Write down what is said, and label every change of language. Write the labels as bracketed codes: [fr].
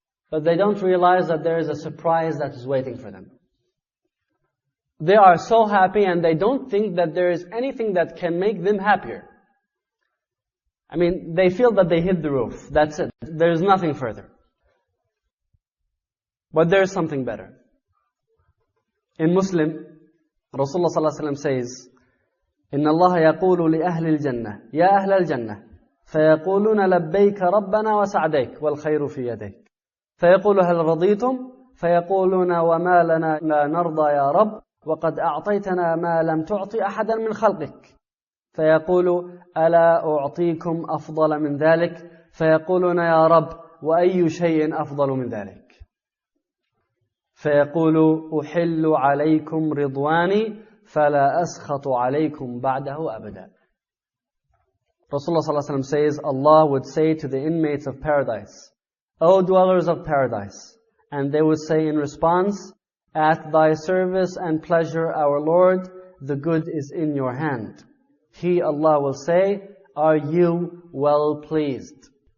[en] But they don't realize that there is a surprise that is waiting for them. They are so happy and they don't think that there is anything that can make them happier. I mean, they feel that they hit the roof. That's it. There is nothing further. But there is something better. In Muslim, Rasulullah sallallahu alaihi wasallam says, [ar] إِنَّ اللَّهَ يَقُولُ لِأَهْلِ الْجَنَّةِ يَا أَهْلَ الْجَنَّةِ فَيَقُولُونَ لَبَّيْكَ رَبَّنَا وَسَعْدَيْكَ وَالْخَيْرُ فِي يَدَيْكَ فَيَقُولُ هَلْ رَضِيتُمْ فَيَقُولُونَ وَمَا لَنَا لَا نَرْضَى يَا رَبْ وَقَدْ أَعْطَيْتَنَا مَا لَمْ تُعْطِ أَحَدًا مِنْ خَلْقِكَ فَيَقُولُ أَلَا أُعْطِيكُمْ أَفْضَلَ مِنْ ذَلِكَ فَيَقُولُونَ يَا رَبْ وَأَيُّ شَيْءٍ أَفْضَلُ مِنْ ذَلِكَ فَيَقُولُ أُحِلُّ عَلَيْكُمْ رِضْوَانِي فَلَا أَسْخَطُ عَلَيْكُمْ بَعْدَهُ أَبَدًا. [en] Rasulullah sallallahu alaihi wasallam says, Allah would say to the inmates of paradise, O dwellers of paradise, and they would say in response, At thy service and pleasure, our Lord, the good is in your hand. He, Allah, will say, Are you well pleased?